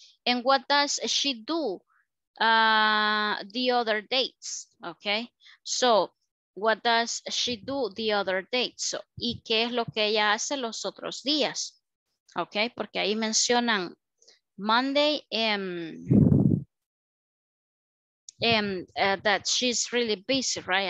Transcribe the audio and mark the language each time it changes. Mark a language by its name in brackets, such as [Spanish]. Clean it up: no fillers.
[English] And what does she do the other dates, ok. So, what does she do the other dates? [Spanish] So, ¿y qué es lo que ella hace los otros días? Ok, porque ahí mencionan Monday [English] that she's really busy, right?